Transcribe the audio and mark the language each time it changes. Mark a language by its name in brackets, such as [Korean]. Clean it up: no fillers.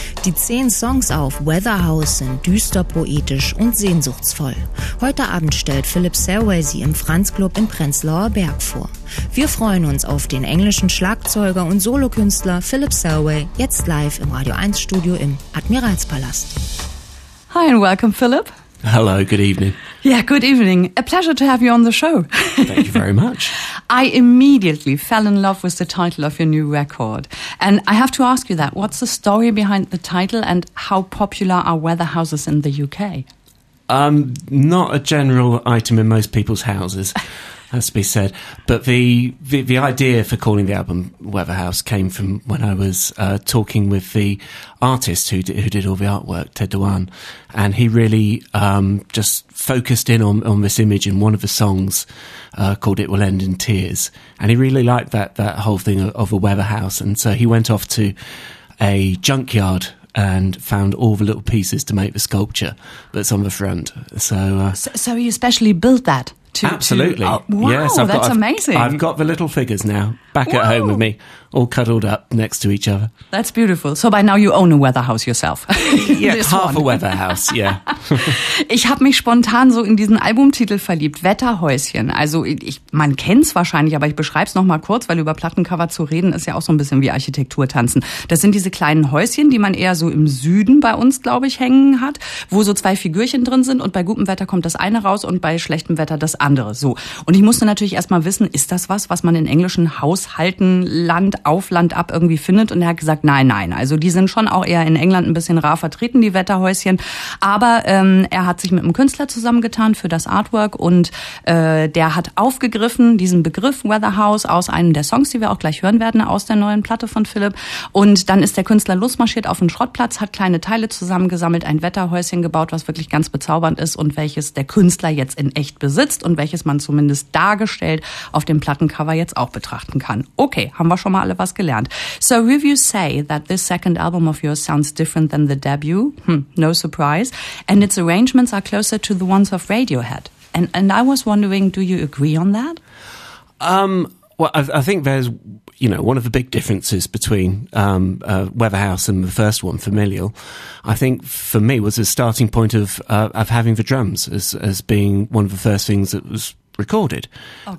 [German] Die 10 Songs auf Weatherhouse sind düster, poetisch und sehnsuchtsvoll. Heute Abend stellt Philip Sarway sie im Franz Club in Prenzlauer Berg vor. Wir freuen uns auf den englischen Schlagzeuger und Solokünstler Philip Sarway jetzt live im Radio 1 Studio im Admiralspalast. [English] Hi and welcome, Philip. Hello, good evening. Yeah, good evening. A pleasure to have you on the show. Thank you very much. I immediately fell in love with the title of your new record. And I have to ask you that. What's the story behind the title and how popular are Weatherhouses in the UK? Not a general item in most people's houses, has to be said. But the idea for calling the album Weatherhouse came from when I was talking with the artist who did all the artwork, Ted Dewan. And he really just focused in on this image in one of the songs called It Will End in Tears. And he really liked that whole thing of a weather house. And so he went off to a junkyard and found all the little pieces to make the sculpture that's on the front. So you especially built that? Absolutely. Amazing. I've got the little figures now back at home with me, all cuddled up next to each other. That's beautiful. So by now you own a weather house yourself. Yeah, half one. A weather house, yeah. [German] Ich habe mich spontan so in diesen Albumtitel verliebt, Wetterhäuschen. Also man kennt es wahrscheinlich, aber ich beschreibe es nochmal kurz, weil über Plattencover zu reden ist ja auch so ein bisschen wie Architektur tanzen. Das sind diese kleinen Häuschen, die man eher so im Süden bei uns, glaube ich, hängen hat, wo so zwei Figürchen drin sind und bei gutem Wetter kommt das eine raus und bei schlechtem Wetter das andere. So. Und ich musste natürlich erstmal wissen, ist das was man in englischen Haushalten Land auf Land ab irgendwie findet? Und er hat gesagt, nein. Also die sind schon auch eher in England ein bisschen rar vertreten, die Wetterhäuschen. Aber er hat sich mit einem Künstler zusammengetan für das Artwork und der hat aufgegriffen diesen Begriff Weatherhouse aus einem der Songs, die wir auch gleich hören werden, aus der neuen Platte von Philip. Und dann ist der Künstler losmarschiert auf den Schrottplatz, hat kleine Teile zusammengesammelt, ein Wetterhäuschen gebaut, was wirklich ganz bezaubernd ist und welches der Künstler jetzt in echt besitzt und welches man zumindest dargestellt auf dem Plattencover jetzt auch betrachten kann. Okay, haben wir schon mal alle was gelernt. [English] So, reviews say that this second album of yours sounds different than the debut. No surprise. And its arrangements are closer to the ones of Radiohead. And I was wondering, do you agree on that? I think there's, you know, one of the big differences between Weatherhouse and the first one, Familial, I think for me was a starting point of having the drums as being one of the first things that was recorded. Okay.